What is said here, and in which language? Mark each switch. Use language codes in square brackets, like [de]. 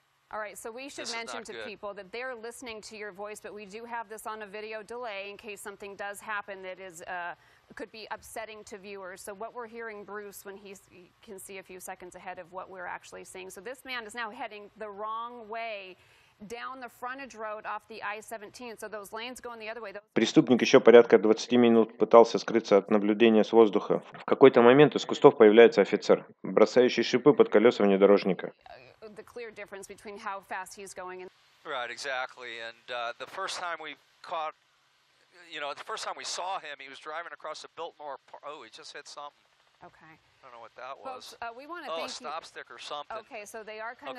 [en] All right, so we should mention to people that they're listening to your voice, but we do have this on a video delay in case something does happen that is could be upsetting to viewers. So what we're hearing, Bruce, when he can see a few seconds ahead of what we're actually seeing. So this man is now heading the wrong way down the frontage road off the I-17. So those lanes going the other way. [ru] Преступник еще порядка 20 минут пытался скрыться от наблюдения с воздуха. В какой-то момент из кустов появляется офицер, бросающий шипы под колеса внедорожника. [en] The clear difference between how fast he's going. Right, exactly. And the first time we caught, you know, the first time we saw him, he was driving across the Biltmore. Oh, he just hit something. Okay. I don't know what that was. Folks, we want to thank stop you. Stick or something. Okay, so they are kind